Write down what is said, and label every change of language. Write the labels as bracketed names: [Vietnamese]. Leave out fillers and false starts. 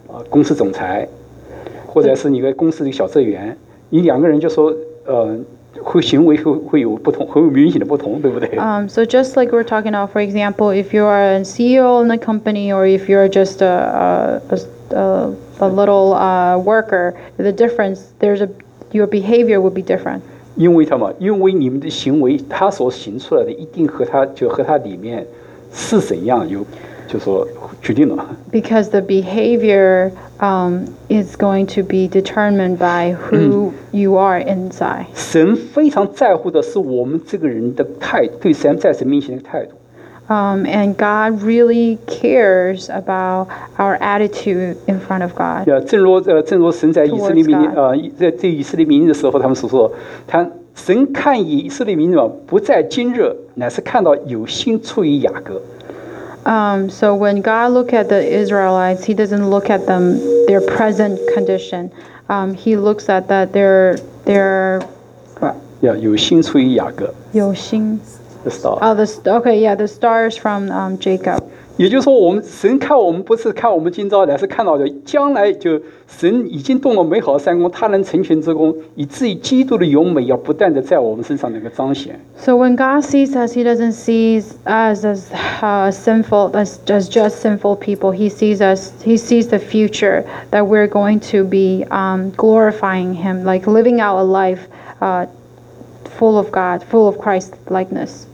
[Chinese] 公司总裁，或者是你的公司的小职员，你两个人就说，会行为会有不同，会有明显的不同，对不对？ [English] So just like we're talking about, for example, if you are a CEO in a company, or if you're just a little worker, the difference there's a your behavior will be different. [Chinese] 因为他嘛，因为你们的行为，他所行出来的一定和他就和他里面是怎样有。就说决定了。 [English] Because the behavior is going to be determined by who you are inside. [Chinese] 神非常在乎的是我们这个人的态度，对神在神面前的态度。 [English] And God really cares about our attitude in front of God. [Chinese] Yeah, 正如神在以色列民在对以色列民的时候，他们所说，他神看以色列民不在今日，乃是看到有心出于雅各。 [English] So when God look at the Israelites, He doesn't look at them their present condition. He looks at that they're. [Chinese] Yeah, 有心出于雅各。有心。 [English] The star. Oh, the stars from Jacob. [Chinese] 也就是说，我们神看我们不是看我们今朝的，是看到的将来，就神已经动了美好的善工，他能成全之功，以至于基督的荣美要不断的在我们身上那个彰显。 [English] So when God sees us, He doesn't see us as sinful, as just sinful people. He sees us. He sees the future that we're going to be glorifying Him, like living out a life full of God, full of Christ likeness.